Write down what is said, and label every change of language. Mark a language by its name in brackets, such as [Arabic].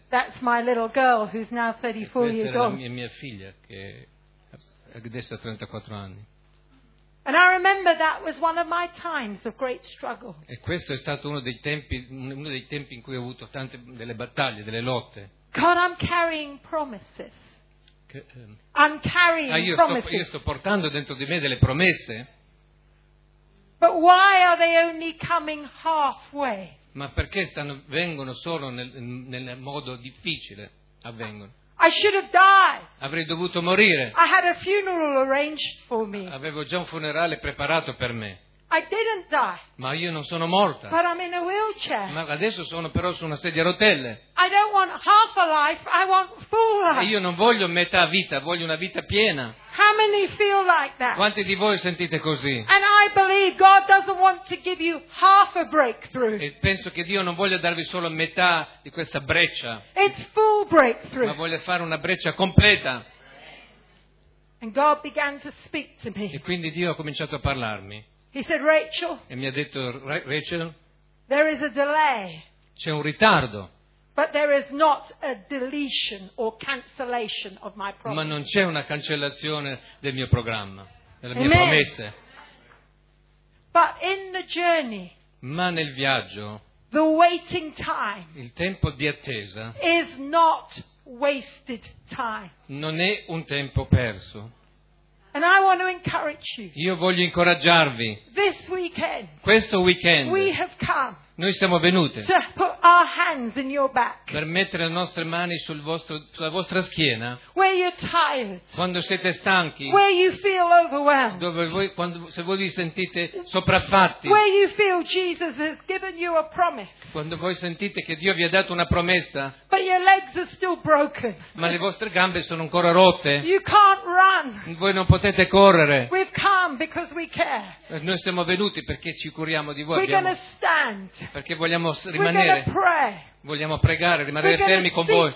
[English] That's my little girl who's now 34 years old. [Italian] Questa è mia figlia che adesso ha 34 anni. [English] And I remember that was one of my times of great struggle. [Italian] E questo è stato uno dei tempi in cui ho avuto tante delle battaglie, delle lotte. [English] God, I'm carrying promises. I'm carrying promises. [Italian] Io sto portando dentro di me delle promesse. [English] But why are they only coming halfway? [Italian] Ma perché vengono solo nel modo difficile avvengono? [English] I should have died. [Italian] Avrei dovuto morire. [English] I had a funeral arranged for me. [Italian] Avevo già un funerale preparato per me. [English] I didn't die. [Italian] Ma io non sono morta. [English] But I'm in a wheelchair. [Italian] Ma adesso sono però su una sedia a rotelle. [English] I don't want half a life, I want full life. [Italian] E io non voglio metà vita, voglio una vita piena. [English] How many feel like that? [Italian] Quanti di voi sentite così? [English] And I believe God doesn't want to give you half a breakthrough. [Italian] E penso che Dio non voglia darvi solo metà di questa breccia. [English] It's full breakthrough. [Italian] Ma voglia fare una breccia completa. [English] And God began to speak to me. [Italian] E quindi Dio ha cominciato a parlarmi. [English] He said, Rachel. [Italian] E mi ha detto, Rachel. [English] There is a delay. [Italian] C'è un ritardo. [English] But there is not a deletion or cancellation of my promise. [Italian] Ma non c'è una cancellazione del mio programma, delle mie promesse. [English] But in the journey. [Italian] Ma nel viaggio. [English] The waiting time. [Italian] Il tempo di attesa. [English] Is not wasted time. [Italian] Non è un tempo perso. [English] And I want to encourage you. [Italian] Io voglio incoraggiarvi. [English] This weekend. [Italian] Questo weekend. [English] We have come. [Italian] Noi siamo venute [English] to put our hands in your back. [Italian] Per mettere le nostre mani sulla vostra schiena. [English] Where you're tired. [Italian] Quando siete stanchi. [English] Where you feel overwhelmed. [Italian] Se voi vi sentite sopraffatti. [English] Where you feel Jesus has given you a promise. [Italian] Quando voi sentite che Dio vi ha dato una promessa. [English] But your legs are still broken. [Italian] Ma le vostre gambe sono ancora rotte. [English] You can't run. [Italian] Voi non potete correre. [English] We've come because we care. [Italian] Noi siamo venuti perché ci curiamo di voi. [English] We're going to stand. [Italian] Perché vogliamo rimanere, vogliamo pregare, rimanere fermi con voi.